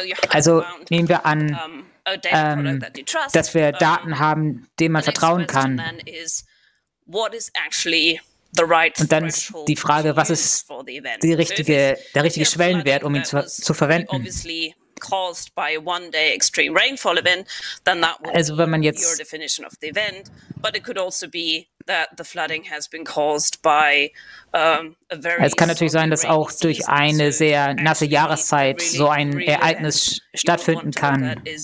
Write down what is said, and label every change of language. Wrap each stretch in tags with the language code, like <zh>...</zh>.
<de>Also nehmen wir an, dass wir Daten haben, denen man vertrauen kann. Und dann ist die Frage, was ist die richtige, der richtige Schwellenwert, um ihn zu verwenden?</de> <en>Caused by a one-day extreme rainfall event, then that would be your definition of the event. But it could also be that the flooding has been caused by a very.</en> <de>Es kann natürlich sein, dass auch durch eine sehr nasse Jahreszeit so ein Ereignis stattfinden kann.</de>